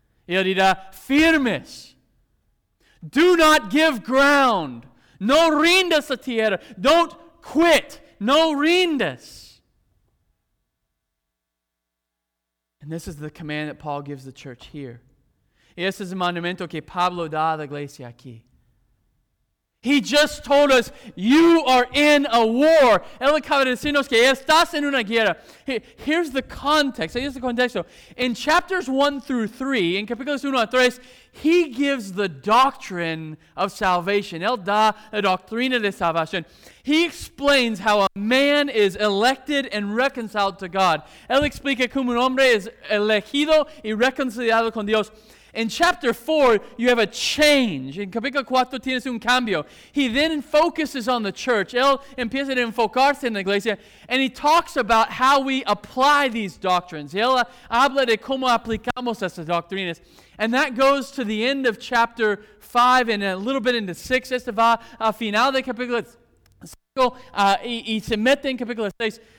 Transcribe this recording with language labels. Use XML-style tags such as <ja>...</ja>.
<es>Y él dirá, firmes.</es> <en>Do not give ground.</en> <es>No rindas a tierra.</es> <en>Don't quit.</en> <es>No rindas.</es> <en>And this is the command that Paul gives the church here.</en> <es>Y ese es el mandamiento que Pablo da a la iglesia aquí.</es> <en>He just told us, you are in a war.</en> <es>Él acaba de decirnos que estás en una guerra.</es> <en>Here's the context. Here's the context. In chapters 1 through 3, in</en> <es>capítulos 1 a 3,</es> <en>he gives the doctrine of salvation.</en> <es>Él da la doctrina de salvación.</es> <en>He explains how a man is elected and reconciled to God.</en> <es>Él explica cómo un hombre es elegido y reconciliado con Dios.</es> <en>In chapter 4, you have a change. In</en> <es>capítulo 4, tienes un cambio.</es> <en>He then focuses on the church.</en> <es>Él empieza a enfocarse en la iglesia.</es> <en>And he talks about how we apply these doctrines.</en> <es>Él habla de cómo aplicamos esas doctrinas.</es> <en>And that goes to the end of chapter 5 and a little bit into 6.</en> <es>Esto va al final de capítulo 5 y se mete en capítulo 6.</es>